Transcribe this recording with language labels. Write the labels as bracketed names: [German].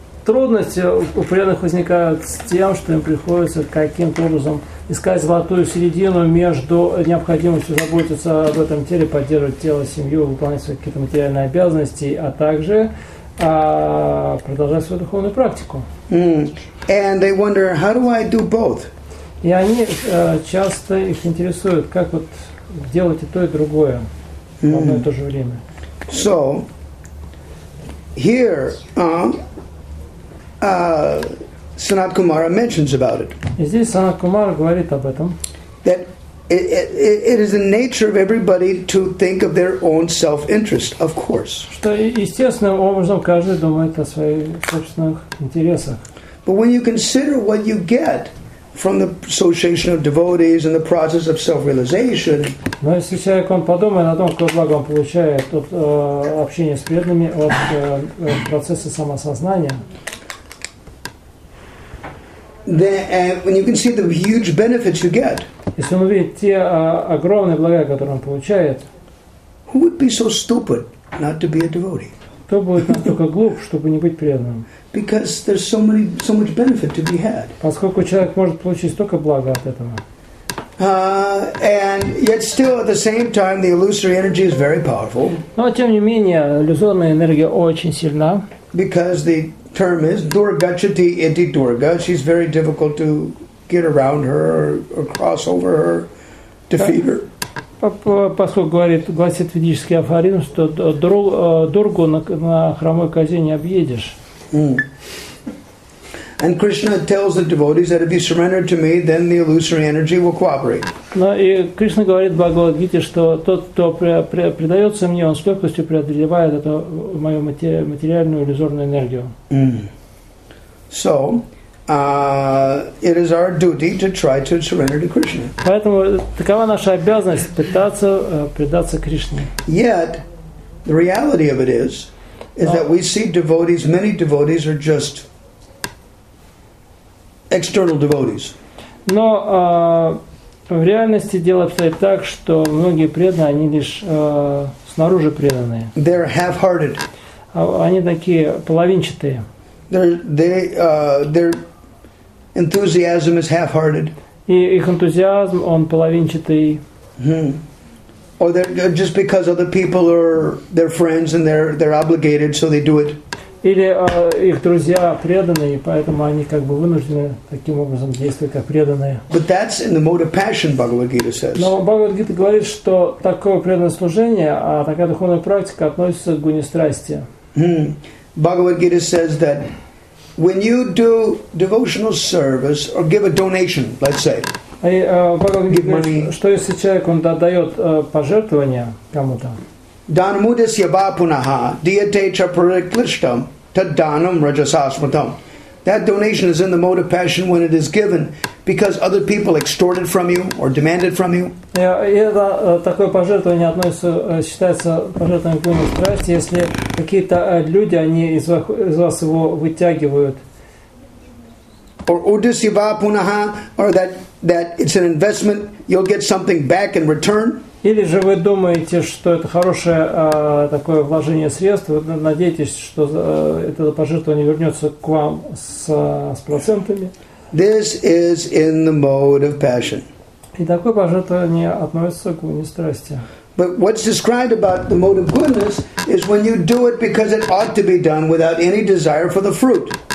[Russian] Трудности у преданных возникают с тем, что им приходится каким-то образом искать золотую середину между необходимостью заботиться об этом теле, поддерживать тело, семью, выполнять свои какие-то материальные обязанности, а также продолжать свою духовную практику. Mm. [English] And they wonder, how do I do both? [Russian] И они часто их интересуют, как вот делать и то, и другое в одно и то же время. [English] So, here... Sanat Kumara mentions about it. [Russian] Здесь Санат Кумар говорит об этом. [English] That it is the nature of everybody to think of their own self-interest, of course. [Russian] Что естественным образом каждый думает о своих собственных интересах. [English] But when you consider what you get from the association of devotees and the process of self-realization. [Russian] Но если человек он подумает о том, какое благо он получает от общения с преданными, от процесса самосознания. [English] And when you can see the huge benefits you get, [Russian] если он увидит те огромные блага, которые он получает, [English] who would be so stupid not to be a devotee? [Russian] Кто будет настолько глуп, чтобы не быть преданным? [English] Because there's so much benefit to be had. [Russian] Поскольку человек может получить столько блага от этого. [English] And yet still at the same time, the illusory energy is very powerful. [Russian] Но тем не менее иллюзорная энергия очень сильна. [English] Because the term is Durgachati Iti Durga. She's very difficult to get around her or cross over her, defeat her. [Russian] Поскольку гласит ведический афоризм, что Дургу на хромой козе не объедешь. [English] And Krishna tells the devotees that if you surrender to me, then the illusory energy will cooperate. [Russian] Но и Кришна говорит Бхагавад-гите, что тот, кто предается мне, он с легкостью преодолевает эту мою материальную иллюзорную энергию. [English] So, it is our duty to try to surrender to Krishna. [Russian] Поэтому такова наша обязанность пытаться предаться Кришне. [English] Yet, the reality of it is that we see devotees, many devotees are just external devotees. [Russian] Но в реальности дело обстоит так, что многие преданные, они лишь снаружи преданные. [English] They're half-hearted. [Russian] Они такие половинчатые. [English] Their enthusiasm is half-hearted. [Russian] И их энтузиазм, он половинчатый. [English] Or they're just because other people are their friends and they're obligated, so they do it. [Russian] Или их друзья преданные, поэтому они как бы вынуждены таким образом действовать как преданные. [English] But that's in the mode of passion, Bhagavad-gita says. [Russian] Но Бхагавад-гита говорит, что такое преданное служение, а такая духовная практика относится к гуне страсти. [English] Бхагавад-гита says that when you do devotional service or give a donation, let's say, give money, [Russian] что если человек он отдает пожертвование кому-то. [Sanskrit] Данам удесья бапунаха диете ча париклиштам та данам раджасасмитам. [English] That donation is in the mode of passion when it is given because other people extorted from you or demanded from you. [Russian] Это такое пожертвование относится, считается пожертвованием гуны страсти, если какие-то люди, они из вас его вытягивают. [English] Or [Sanskrit] удесья бапунаха, [English] or that it's an investment, you'll get something back in return. [Russian] Или же вы думаете, что это хорошее такое вложение средств, вы надеетесь, что это пожертвование вернется к вам с процентами. [English] This is in the mode of passion. [Russian] И такое пожертвование относится к гуне страсти. [English] But what's described about the mode of goodness is when you do it because it ought to be done without any desire for the fruit.